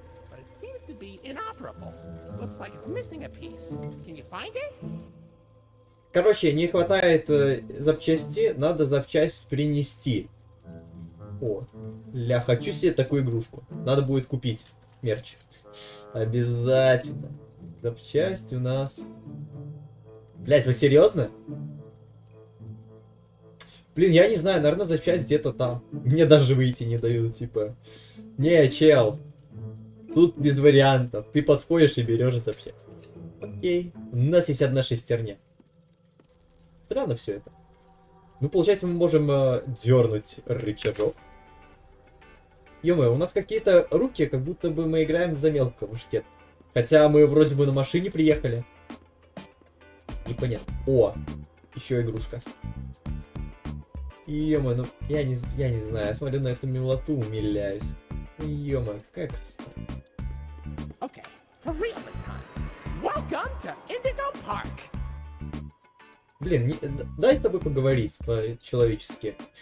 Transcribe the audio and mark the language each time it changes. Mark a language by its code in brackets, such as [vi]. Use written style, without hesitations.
[en] But it seems to be inoperable. Looks like it's missing a piece. Can you find it? [ru] Короче, не хватает запчасти, надо запчасть принести. О, ля, хочу себе такую игрушку. Надо будет купить мерч. Обязательно. Запчасть у нас... Блять, вы серьезно? Блин, я не знаю, наверное, запчасть где-то там. Мне даже выйти не дают, типа... Не, чел. Тут без вариантов. Ты подходишь и берешь запчасть. Окей. У нас есть одна шестерня. Странно все это. Ну, получается, мы можем дернуть рычажок. Ё-моё, у нас какие-то руки, как будто бы мы играем за мелкого шкет. Хотя мы вроде бы на машине приехали. Непонятно. О, еще игрушка. Ё-моё, ну, я не знаю. Я смотрю на эту милоту, умиляюсь. Ё-моё, какая красота. [en] Окей, for real this time. Welcome to Indigo Park. [ru] Блин, не, дай с тобой поговорить по-человечески.